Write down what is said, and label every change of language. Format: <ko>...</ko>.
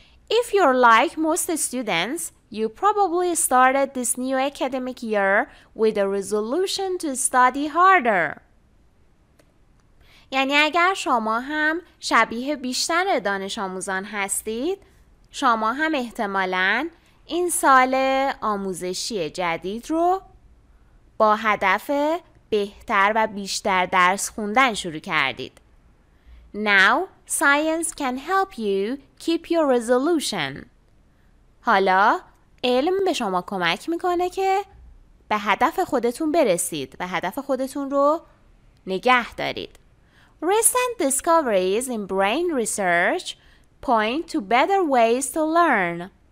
<en>If you're like most students, you probably started this new academic year with a resolution to study harder.</en> <fa>یعنی اگر شما هم شبیه بیشتر دانش آموزان هستید، شما هم احتمالاً این سال آموزشی جدید رو با هدف بهتر و بیشتر درس خوندن شروع کردید.</fa> <en>Now science can help you keep your resolution.</en> <fa>حالا علم به شما کمک میکنه که به هدف خودتون برسید و هدف خودتون رو نگه دارید.</fa> <en>Recent discoveries in brain research point to better ways to learn.</en>